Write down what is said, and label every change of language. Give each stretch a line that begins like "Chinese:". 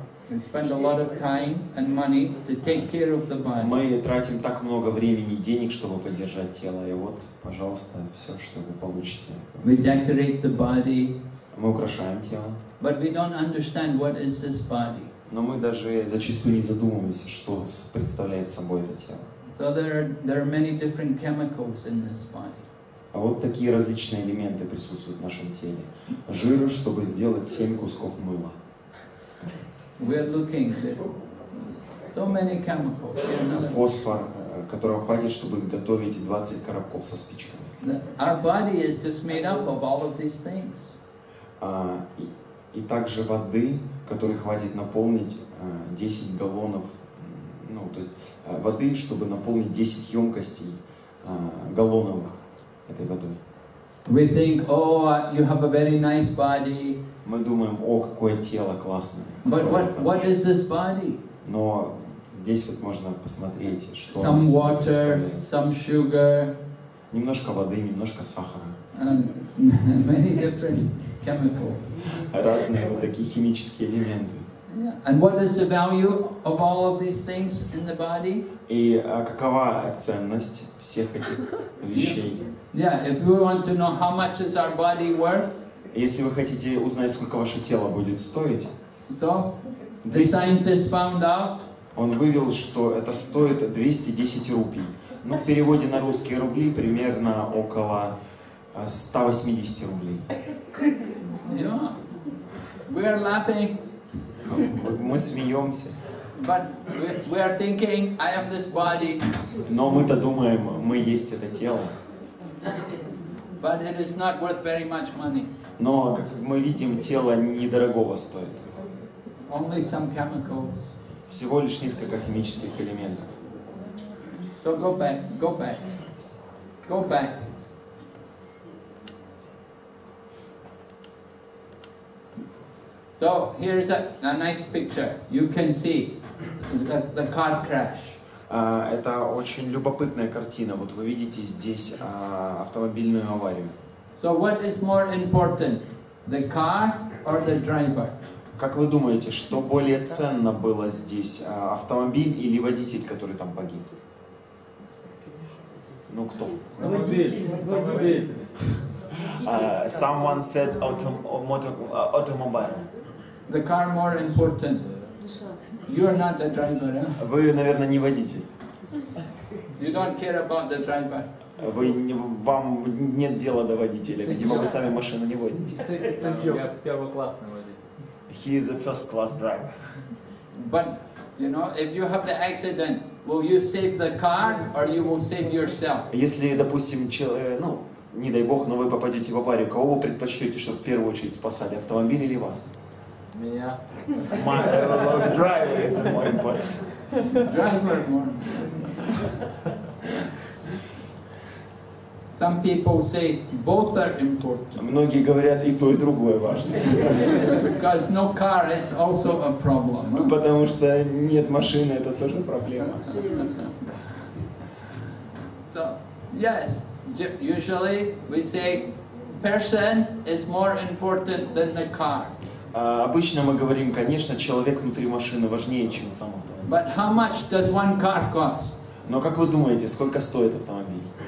English: We spend a lot of time and money to take care of the body.
Russian: Мы тратим так много времени и денег, чтобы поддержать тело, и вот, пожалуйста, все, что вы получите.
English: We decorate the body.
Russian: Мы украшаем тело.
English: But we don't understand what is this body.
Russian: Но мы даже зачастую не задумываемся, что представляет собой это тело.
English: So there are many different chemicals in this body.
Russian: А вот такие различные элементы присутствуют в нашем теле. Жир, чтобы сделать 7 кусков мыла.
English: We are looking. So many chemicals.
Russian: Фосфор, которого хватит, чтобы изготовить 20 коробков со спичками.
English: Our body is just made up of all of these things.
Russian: И также воды, которой хватит наполнить 10 галлонов, ну, то есть воды, чтобы наполнить 10 емкостей галлоновых этой водой.
English: We think, oh, you have a very nice body.
Russian: Мы думаем, о, какое тело классное.
English: But what is this body?
Russian: Но здесь вот можно посмотреть, что
English: some water, some sugar.
Russian: Немножко воды, немножко сахара.
English: Many different chemicals.
Russian: Разные вот такие химические элементы.
English: Yeah. And what is the value of all of these things in the body?
Russian: И какова ценность всех этих вещей?
English: Yeah, if we want to know how much is our body worth.
Russian: Если вы хотите узнать, сколько ваше тело будет стоить.
English: So, the scientist found out.
Russian: Он вывел, что это стоит 210 рупий. Ну, в переводе на русские рубли примерно около 180 рублей.
English: Yeah. We are laughing.
Russian: Мы смеемся.
English: But we are thinking, I have this body.
Russian: Но мы-то думаем, мы есть это тело.
English: But it is not worth very much money.
Russian: Но, как мы видим, тело недорогого стоит.
English: Only some chemicals.
Russian: Всего лишь несколько химических элементов.
English: So go back, go back, go back. So here's a nice picture. You can see the car crash.
Russian: Это очень любопытная картина. Вот вы видите здесь автомобильную аварию.
English: So what is more important, the car or the driver?
Russian: Как вы думаете, что более ценно было здесь, автомобиль или водитель, который там погиб? Ну кто? Водитель.
English: Someone said automobile. The car more important. You are not the driver, eh?
Russian: Вы, наверное, не водитель.
English: You don't care about the driver.
Russian: Вы не, вам нет дела до водителя, видимо, вы сами машину не водите. Я первоклассный водитель.
English: He is a first-class driver. But, you know, if you have the accident, will you save the car or you will save yourself?
Russian: Если, допустим, ну, не дай бог, но вы попадете в аварию, кого вы предпочтете, чтобы в первую очередь спасали, автомобиль или вас? Меня.
English: My driver is more important. Driver more. Some people say both are important.
Russian: Многие говорят, и то, и другое важно.
English: Because no car is also a problem.
Russian: Потому что нет машины, это тоже проблема.
English: So, yes, usually we say person is more important than the car.
Russian: Обычно мы говорим, конечно, человек внутри машины важнее, чем сам автомобиль.
English: But how much does one car cost?
Russian: Но как вы думаете, сколько стоит автомобиль?